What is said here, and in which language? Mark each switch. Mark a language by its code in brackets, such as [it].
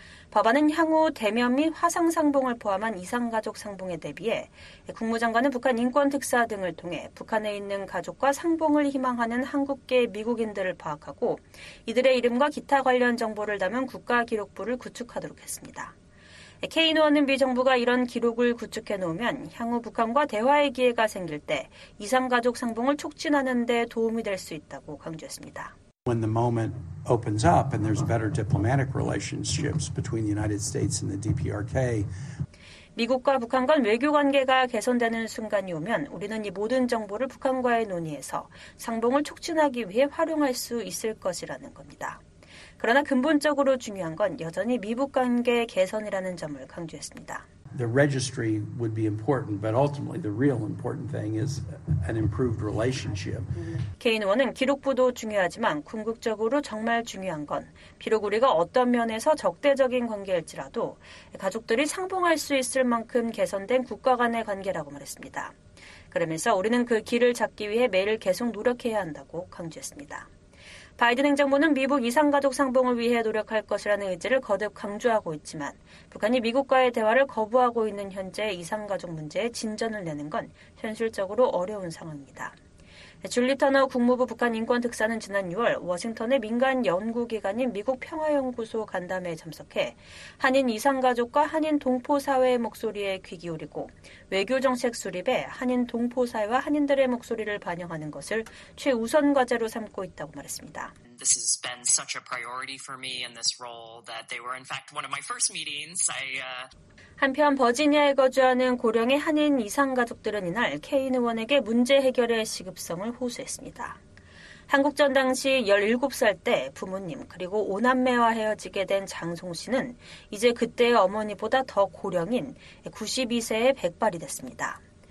[ko] 법안은 향후 대면 및 화상 상봉을 포함한 이상가족 상봉에 대비해 국무장관은 북한 인권특사 등을 통해 북한에 있는 가족과 상봉을 희망하는 한국계 미국인들을 파악하고 이들의 이름과 기타 관련 정보를 담은 국가기록부를 구축하도록 했습니다. 케인 의원은 미 정부가 이런 기록을 구축해놓으면 향후 북한과 대화의 기회가 생길 때 이상가족 상봉을 촉진하는 데 도움이 될 수 있다고 강조했습니다. [en] When the moment opens up and there's better diplomatic relationships between the United States and the DPRK. [ko] 미국과 북한 간 외교 관계가 개선되는 순간이 오면 우리는 이 모든 정보를 북한과의 논의에서 상봉을 촉진하기 위해 활용할 수 있을 것이라는 겁니다. 그러나 근본적으로 중요한 건 여전히 미북 관계 개선이라는 점을 강조했습니다. [en] The registry would be important, but ultimately the real important thing is an improved relationship. [ko] 케인 의원은 기록부도 중요하지만 궁극적으로 정말 중요한 건 비록 우리가 어떤 면에서 적대적인 관계일지라도 가족들이 상봉할 수 있을 만큼 개선된 국가 간의 관계라고 말했습니다. 그러면서 우리는 그 길을 찾기 위해 매일 계속 노력해야 한다고 강조했습니다. 바이든 행정부는 미북 이상가족 상봉을 위해 노력할 것이라는 의지를 거듭 강조하고 있지만 북한이 미국과의 대화를 거부하고 있는 현재 이상가족 문제에 진전을 내는 건 현실적으로 어려운 상황입니다. 줄리 터너 국무부 북한 인권특사는 지난 6월 워싱턴의 민간 연구기관인 미국 평화연구소 간담회에 참석해 한인 이상가족과 한인 동포사회의 목소리에 귀 기울이고 외교정책 수립에 한인 동포사회와 한인들의 목소리를 반영하는 것을 최우선 과제로 삼고 있다고 말했습니다. [en] This has been such a priority for me in this role that they were in fact one of my first meetings. [ko] 한편 버지니아에 거주하는 고령의 한인 이상가족들은 이날 케인 의원에게 문제 해결의 시급성을 호소했습니다. 한국전 당시 17살 때 부모님 그리고 5남매와 헤어지게 된 장송 씨는 이제 그때의 어머니보다 더 고령인 92세의 백발이 됐습니다.